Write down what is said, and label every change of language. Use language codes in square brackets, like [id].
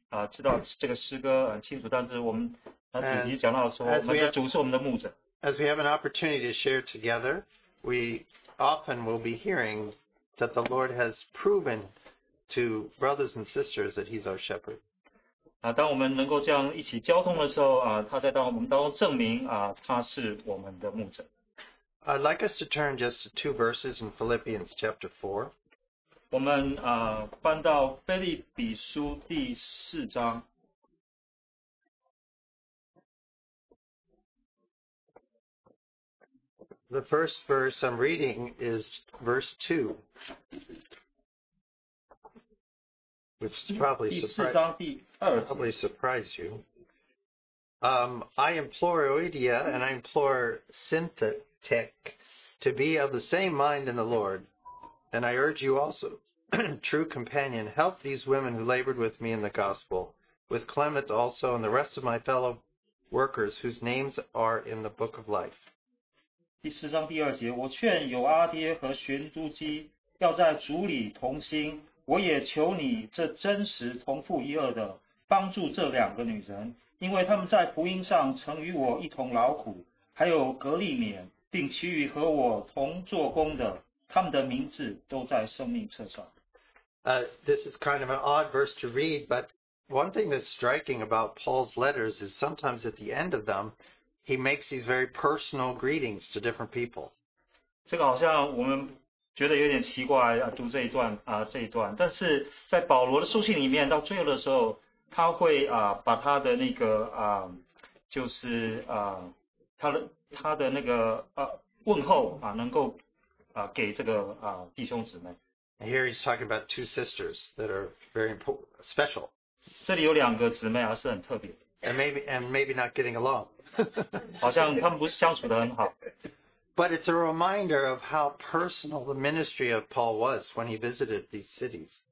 [zh] 知道这个诗歌很清楚，但是我们当主题 [en] And [zh] 讲到的时候，我们的主是我们的牧者。 [en] as we have an opportunity to share together, we often will be hearing that the Lord has proven to brothers and sisters that He's our shepherd. [zh] 当我们能够这样一起交通的时候，他在我们当中证明，他是我们的牧者。 [en] I'd like us to turn just to two verses in Philippians chapter 4. [zh] 我们翻到腓立比书第四章。 [en] The first verse I'm reading is verse 2, which probably surprised you. I implore Euodia and I implore Syntyche to be of the same mind in the Lord. And I urge you also, true companion, help these women who labored with me in the gospel, with Clement also and the rest of my fellow workers whose names are in the book of life. [zh] 第四章第二节，我劝有阿爹和寻都基要在主里同心。我也求你这真实同父一轭的帮助这两个女人，因为他们在福音上曾与我一同劳苦。还有格利勉，并其余和我同做工的，他们的名字都在生命册上。 [en] This is kind of an odd verse to read, but one thing that's striking about Paul's letters is sometimes at the end of them, he makes these very personal greetings to different people. [zh] 这个好像我们觉得有点奇怪啊，读这一段啊这一段，但是在保罗的书信里面，到最后的时候，他会把他的那个就是他的那个问候能够给这个弟兄姊妎。 [en] And here he's talking about two sisters that are very important, special. [zh] 这里有两个姊妹是很特别。 [en] And maybe not getting along. [zh] 好像他们不是相处得很好。 [en] But it's a reminder of how personal the ministry of Paul was when he visited these cities.